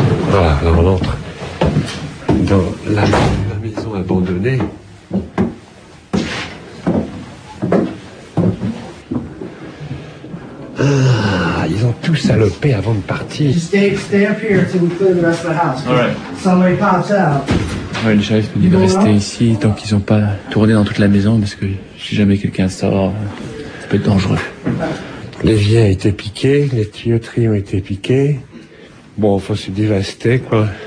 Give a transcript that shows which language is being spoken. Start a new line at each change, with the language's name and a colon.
French: Voilà, on entre dans la maison abandonnée. Ah, ils ont tout salopé avant de partir.
English: Stay up here until we clear the rest of the house. All right. Somebody pops out.
French: Ouais, le shérif me dit de rester ici tant qu'ils n'ont pas tourné dans toute la maison, parce que si jamais quelqu'un sort, ça peut être dangereux. L'évier a été piqué, les tuyauteries ont été piquées. Bon, enfin, c'est dévasté, quoi.